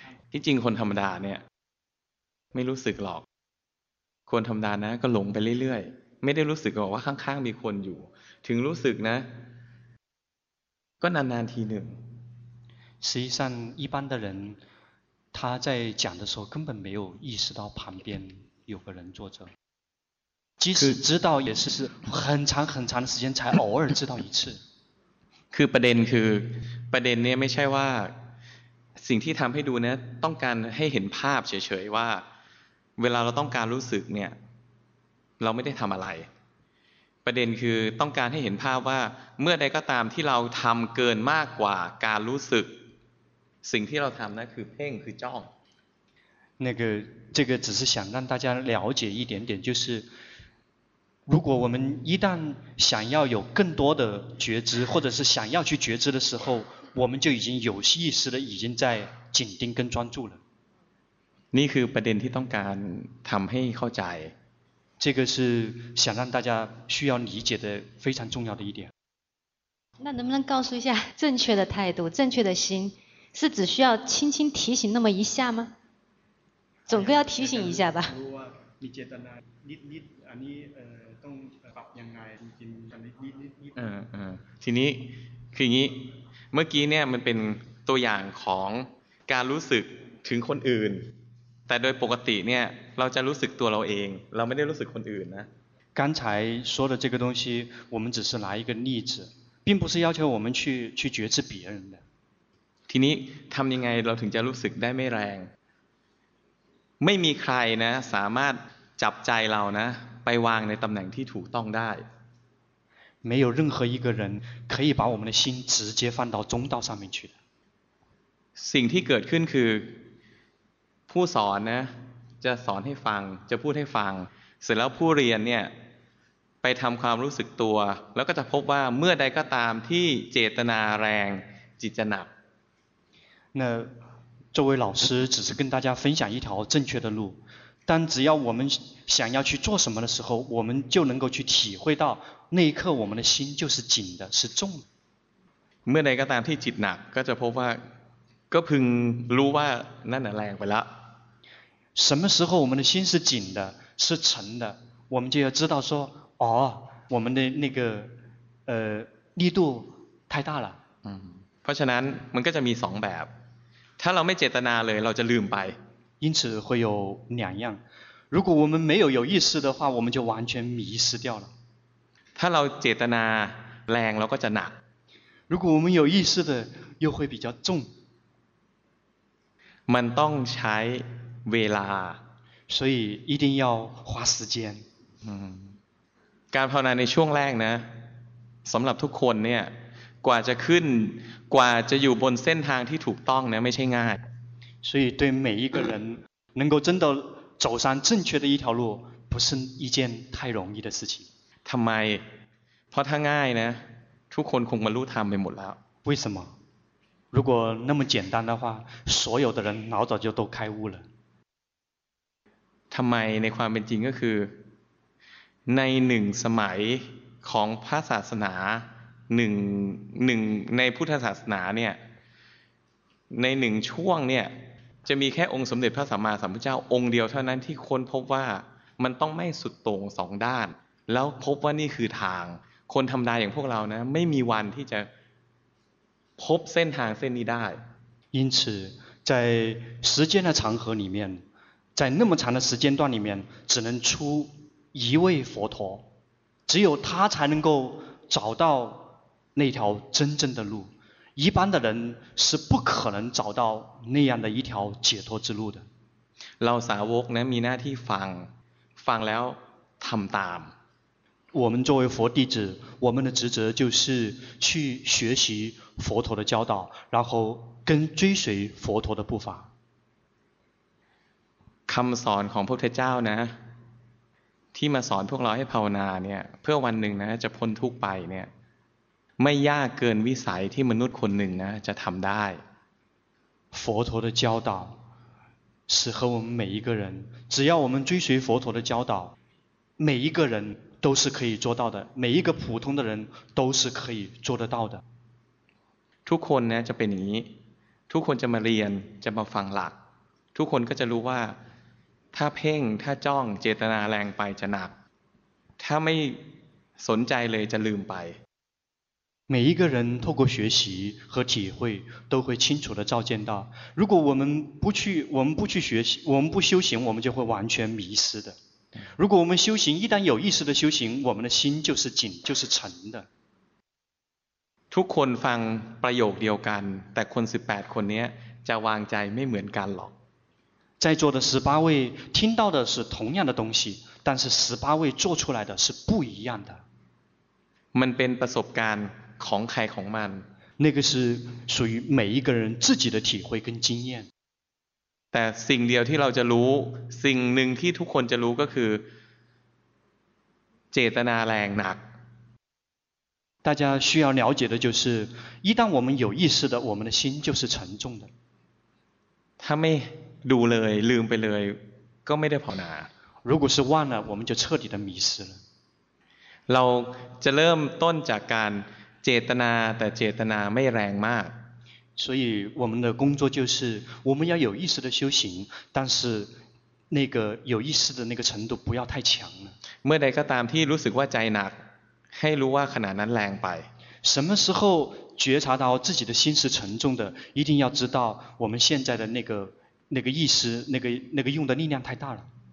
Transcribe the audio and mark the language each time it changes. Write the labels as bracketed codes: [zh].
[th] ที่จริงคนธรรมดาเนี่ยไม่รู้สึกหรอกคนธรรมดานะก็หลงไปเรื่อยๆไม่ได้รู้สึกหรอกว่าข้างๆมีคนอยู่ถึงรู้สึกนะก็นานๆทีหนึ่ง [zh] 实际上一般的人他在讲的时候根本没有意识到旁边有个人坐着即使知道也是很长很长的时间才偶尔知道一次 [th] คือประเด็นคือประเด็นเนี่ยไม่ใช่ว่าสิ่งที่ทำให้ดูเนี่ยต้องการให้เห็นภาพเฉยๆว่าเวลาเราต้องการรู้สึกเนี่ยเราไม่ได้ทำอะไรประเด็นคือต้องการให้เห็นภาพว่าเมื่อใดก็ตามที่เราทำเกินมากกว่าการรู้สึกสิ่งที่เราทำนั่นคือเพ่งคือจ้อง [zh] 那个这个只是想让大家了解一点点就是如果我们一旦想要有更多的觉知或者是想要去觉知的时候我们就已经有意识的已经在紧盯跟专注了 [th] นี่คือประเด็นที่ต้องการทำให้เข้าใจ [zh] 这个是想让大家需要理解的非常重要的一点那能不能告诉一下正确的态度正确的心是只需要轻轻提醒那么一下吗总归要提醒一下吧你觉得呢你 [th] อันนี้ต้องปรับยังไงจริงๆกันนิด ๆทีนี้คืออย่างนี้เมื่อกี้เนี่ยมันเป็นตัวอย่างของการรู้สึกถึงคนอื่นแต่โดยปกติเนี่ยเราจะรู้สึกตัวเราเองเราไม่ได้รู้สึกคนอื่นนะ [zh] 刚才说的这个东西我们只是拿一个例子并不是要求我们去觉知别人的 [th] ทีนี้ทำยังไงเราถึงจะรู้สึกได้ไม่แรงไม่มีใครนะสามารถจับใจเรานะไปวางในตำแหน่งที่ถูกต้องได้ [zh] 没有任何一个人可以把我们的心直接放到中道上面去 [th] สิ่งที่เกิดขึ้นคือผู้สอนนะจะสอนให้ฟังจะพูดให้ฟังเสร็จแล้วผู้เรียนเนี่ยไปทำความรู้สึกตัวแล้วก็จะพบว่าเมื่อใดก็ตามที่เจตนาแรงจิตจะหนัก [zh] 那这位老师只是跟大家分享一条正确的路但只要我们想要去做什么的时候我们就能够去体会到那一刻我们的心就是紧的是重的 [th] เมื่อใดก็ตามที่จิตหนักก็จะพบว่าก็พึงรู้ว่านั่นแหละแรงไปแล้ว [zh] 什么时候我们的心是紧的是沉的我们就要知道说哦我们的那个力度太大了 [th] เพราะฉะนั้นมันก็จะมีสองแบบถ้าเราไม่เจตนาเลยเราจะลืมไป [zh] 因此会有两样如果我们没有意识的话我们就完全迷失掉了 [th] ถ้าเราเจตนาแรงเราก็จะหนัก [zh] 如果我们有意识的又会比较重 [th] มันต้องใช้เวลา [zh] 所以一定要花时间 [th] การภาวนาในช่วงแรกนะสำหรับทุกคนเนี่ยกว่าจะขึ้นกว่าจะอยู่บนเส้นทางที่ถูกต้องเนี่ยไม่ใช่ง่าย [zh] 所以对每一个人能够真的走上正确的一条路不是一件太容易的事情 [th] ทำไมเพราะถ้าง่ายนะทุกคนคงบรรลุธรรมไปหมดแล้ว [zh] 为什么如果那么简单的话所有的人老早就都开悟了 [th] ทำไมในความเป็นจริงก็คือในหนึ่งสมัยของพระศาสนาหนึ่งในพุทธศาสนาเนี่ยในหนึ่งช่วงเนี่ยจะมีแค่องค์สมเด็จพระสัมมาสัมพุทธเจ้าองค์เดียวเท่านั้นที่ค้นพบว่ามันต้องไม่สุดโต่งสองด้านแล้วพบว่านี่คือทางคนธรรมดาอย่างพวกเรานะไม่มีวันที่จะพบเส้นทางเส้นนี้ได้ [zh] 因此在时间的长河里面在那么长的时间段里面只能出一位佛陀只有他才能够找到那条真正的路一般的人是不可能找到那样的一条解脱之路的 [th] เราสาวกนะมีหน้าที่ฟังแล้วทำตาม [zh] 我们作为佛弟子我们的职责就是去学习佛陀的教导然后跟追随佛陀的步伐 [th] คำสอนของพระพุทธเจ้านะ ที่มาสอนพวกเราให้ภาวนาเนี่ยเพื่อวันหนึ่งนะจะพ้นทุกข์ไปเนี่ยไม่ยากเกินวิสัยที่มนุษย์คนหนึ่งนะจะทำได้ [zh] 佛陀的教导适合我们每一个人只要我们追随佛陀的教导每一个人都是可以做到的每一个普通的人都是可以做得到的 [th] ทุกคนเนี่ยจะเป็นอย่างนี้ทุกคนจะมาเรียนจะมาฟังหลักทุกคนก็จะรู้ว่าถ้าเพ่งถ้าจ้องเจตนาแรงไปจะหนักถ้าไม่สนใจเลยจะลืมไป [zh] 每一个人透过学习和体会都会清楚地照见到如果我们不去我们不去学习我们不修行我们就会完全迷失的如果我们修行一旦有意识的修行我们的心就是紧就是沉的 [th] ทุกคนฟังประโยคเดียวกันแต่คน18คนนี้จะวางใจไม่เหมือนกันหรอก [zh] 在座的18位听到的是同样的东西但是18位做出来的是不一样的 [th] มันเป็นประสบการณ์ของใครของมัน [zh] 那个是属于每一个人自己的体会跟经验 [th] แต่สิ่งเดียวที่เราจะรู้สิ่งหนึ่งที่ทุกคนจะรู้ก็คือเจตนาแรงหนัก [zh] 大家需要了解的就是一旦我们有意识的我们的心就是沉重的他没 [th] ดูเลยลืมไปเลยก็ไม่ได้ภาวนา [zh] 如果是忘了我们就彻底的迷失了 [th] เราจะเริ่มต้นจากการเจตนาแต่เจตนาไม่แรงมาก [zh] 所以我们的工作就是我们要有意识的修行但是那个有意识的那个程度不要太强 [th] เมื่อใดก็ตามที่รู้สึกว่าใจหนักให้รู้ว่าขณะนั้นแรงไป [zh] 什么时候觉察到自己的心是沉重的一定要知道我们现在的那个意识那个用的力量太大了